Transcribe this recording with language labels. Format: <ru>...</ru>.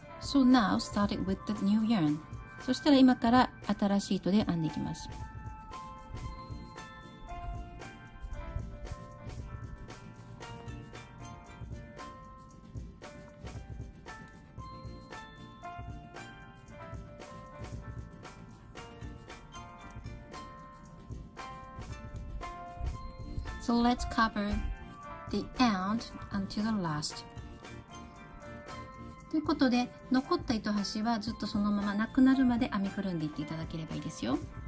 <en>So now, start it with the new yarn.</en> <ja>そしたら今から新しい糸で編んでいきます。</ja> <en>So let's cover the end until the last.</en> <ja>ということで、残った糸端はずっとそのままなくなるまで編みくるんでいっていただければいいですよ。</ja>